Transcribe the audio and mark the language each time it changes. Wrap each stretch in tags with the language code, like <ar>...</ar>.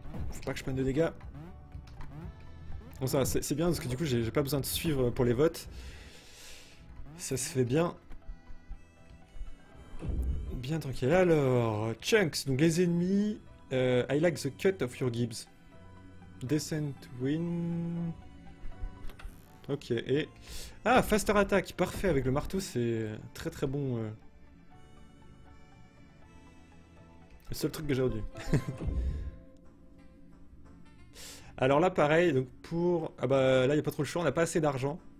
<fr>Faut pas que je prenne de dégâts. Bon, ça, c'est bien, parce que du coup, j'ai pas besoin de suivre pour les votes. Ça se fait bien. Bien tranquille. Alors, Chunks, donc les ennemis...</fr> <en>I like the cut of your Gibbs. Descent win... Ok, et...</en> <fr>Ah, faster attack, parfait, avec le marteau, c'est très très bon. Le seul truc que j'ai rendu. Alors là, pareil, donc pour... Ah bah, là, il n'y a pas trop le choix, on n'a pas assez d'argent.</fr>